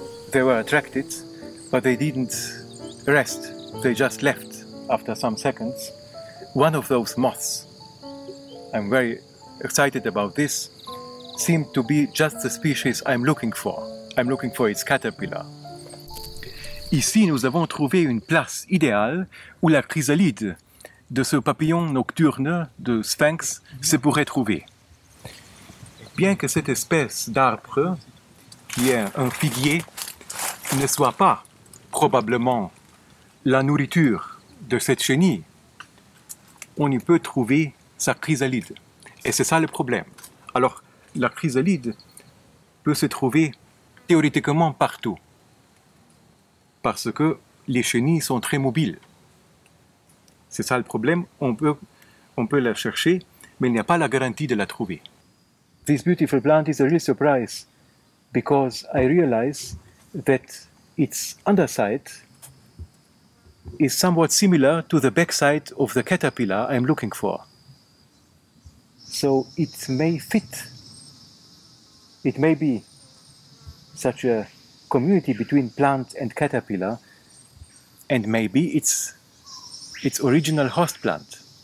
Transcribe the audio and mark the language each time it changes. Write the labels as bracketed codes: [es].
[en] They were attracted, but they didn't rest. They just left after some seconds. One of those moths, I'm very excited about this, seemed to be just the species I'm looking for. I'm looking for its caterpillar. [fr] Ici, nous avons trouvé une place idéale où la chrysalide de ce papillon nocturne de sphinx se pourrait trouver. Bien que cette espèce d'arbre, qui est un figuier, ne soit pas probablement la nourriture de cette chenille, on y peut trouver sa chrysalide. Et c'est ça le problème. Alors, la chrysalide peut se trouver théoriquement partout, parce que les chenilles sont très mobiles. C'est ça le problème, on peut la chercher, mais il n'y a pas la garantie de la trouver. [en] This beautiful plant is a real surprise, because I realize that its underside is somewhat similar to the backside of the caterpillar I'm looking for. So it may fit. It may be such a community between plant and caterpillar, and maybe its original host plant.